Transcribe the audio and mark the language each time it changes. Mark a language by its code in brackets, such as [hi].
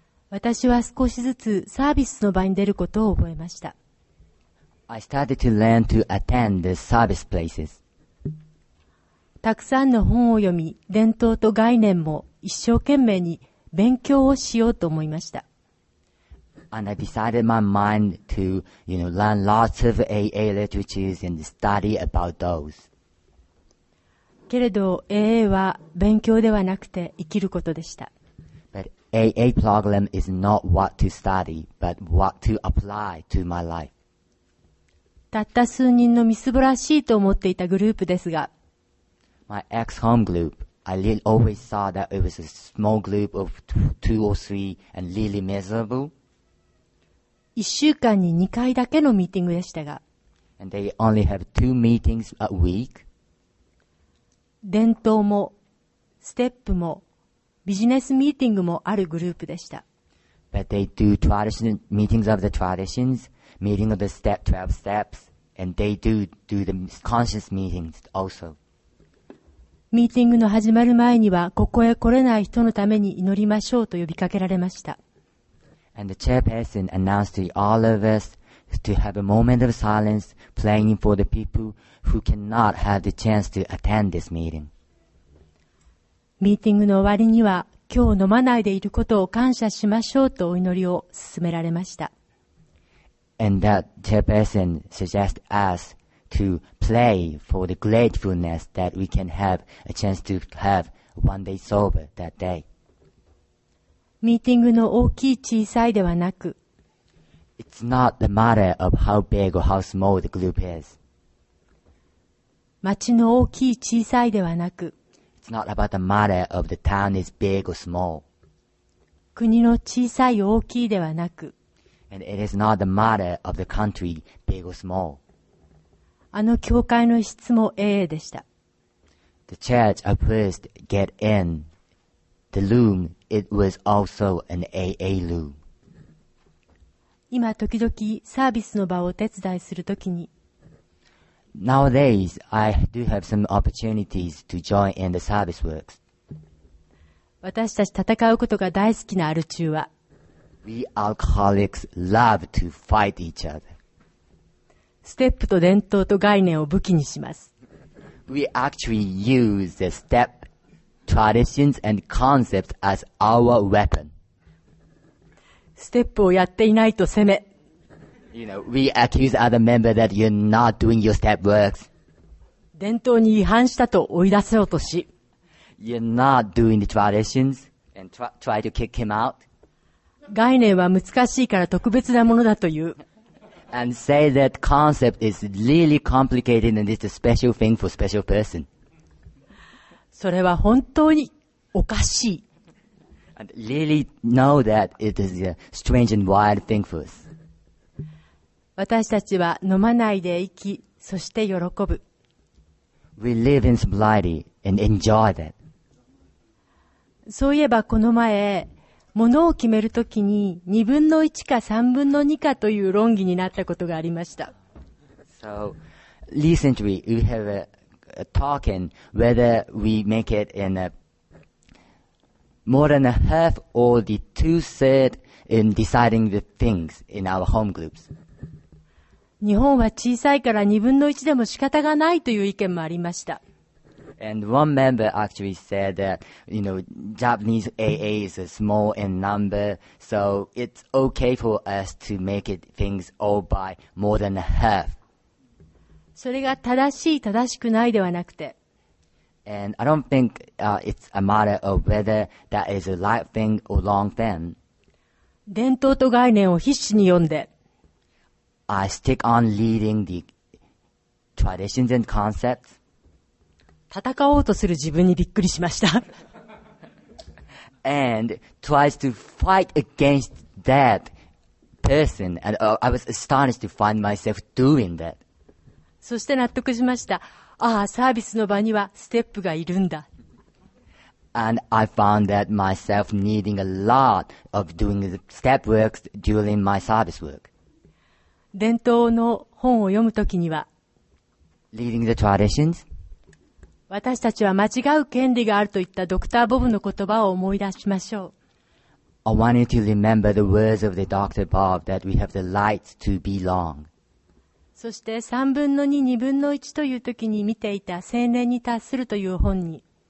[ja] 私は少しずつサービスの場に出ることを覚えました。 [en] I started to learn to attend the service places. [ja] たくさんの本を読み、伝統と概念も一生懸命に勉強をしようと思いました。 [en] And I decided my mind to, you know, learn lots of AA literatures and study about those. [ja] けれど AA は勉強ではなくて生きることでした。 [en] AA program is not what to study, but what to apply to my life. [ja] たった数人のみすぼらしいと思っていたグループですが、 [en] My ex-home group, I really always saw that it was a small group of two or three and really miserable. [ja] 一週間に2回だけのミーティングでしたが、 [en] And they only have two meetings a week. [ja] 伝統も、ステップも、ビジネスミーティングもあるグループでした。 [en] But they do traditional meetings of the traditions, meeting of the step 12 steps, and they do the conscious meetings also. [ja] ミーティングの始まる前には、ここへ来れない人のために祈りましょうと呼びかけられました。 [en] And the chairperson announced to all of us to have a moment of silence, praying for the people who cannot have the chance to attend this meeting. [ja] ミーティングの終わりには、今日飲まないでいることを感謝しましょうとお祈りを勧められました。 [en] And that chairperson suggests us to pray for the gratefulness that we can have a chance to have one day sober that day. [ja] ミーティングの大きい小さいではなく、 [en] It's not the matter of how big or how small the group is. [ja] 町の大きい小さいではなく、 [en] It's not about the matter of the town is big or small. [ja] 国の小さい大きいではなく、 [en] And it is not the matter of the country big or small. [ja] あの教会の質も AA でした。 [en] The church I first get in, the room, it was also an AA room. [ja] 今時々サービスの場をお手伝いするときに、 [en] Nowadays, I do have some opportunities to join in the service works. [ja] 私たち戦うことが大好きなアル中は、 [en] We alcoholics love to fight each other. [ja] ステップと伝統と概念を武器にします。 [en] We actually use the step, traditions and concepts as our weapon. [ja] ステップをやっていないと攻め、 [en] You know, we accuse other members that you're not doing your step works. [ja] 伝統に違反したと追い出せようとし、 [en] You're not doing the traditions and try to kick him out. [ja] 概念は難しいから特別なものだという。 [en] And say that concept is really complicated and it's a special thing for special person. [ja] それは本当におかしい。 [en] And really know that it is a strange and wild thing for us. [ja] 私たちは飲まないで生き、そして喜ぶ。 [en] We live in sobriety and enjoy that. [ja] そういえばこの前、物を決めるときに2分の1か3分の2かという論議になったことがありました。 [en] So, recently we have a talk in whether we make it in a more than a half or the two-third in deciding the things in our home groups. [ja] 日本は小さいから2分の1でも仕方がないという意見もありました。 [en] And one member actually said that, you know, Japanese AA is small in number, so it's okay for us to make it things all by more than a half. [ja] それが正しい、正しくないではなくて。 [en] And I don't think, it's a matter of whether that is a right thing or wrong thing. [ja] 伝統と概念を必死に読んで、 [en] I stick on reading the traditions and concepts. [ja] 戦おうとする自分にびっくりしました。 [en] And tries to fight against that person. And I was astonished to find myself doing that. [ja] そして納得しました。ああ、サービスの場にはステップがいるんだ。 [en] And I found that myself needing a lot of doing the step works during my service work. [ja] 伝統の本を読むときには、 [en] Reading the traditions. [ja] 私たちは間違う権利があると言ったドクター・ボブの言葉を思い出しましょう。 [en] I want you to remember the words of the Dr. Bob that we have the right to belong. [ja] そして3分の2、2分の1という時に見ていた青年に達するという本に。